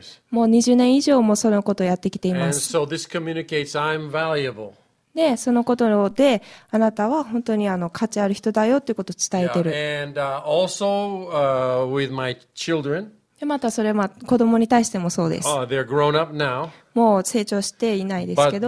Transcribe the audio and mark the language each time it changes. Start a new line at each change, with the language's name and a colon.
Japanese: もう20年以上もそのことをやってきています。
English: And so this communicates I'm valuable.
Japanese: でそのことであなたは本当にあの価値ある人だよということを伝えている。
English: Yeah, and, also, with my children.
Japanese: でまたそれは子供に対してもそうです。
English: They're grown up now.
Japanese: もう成長していないですけど。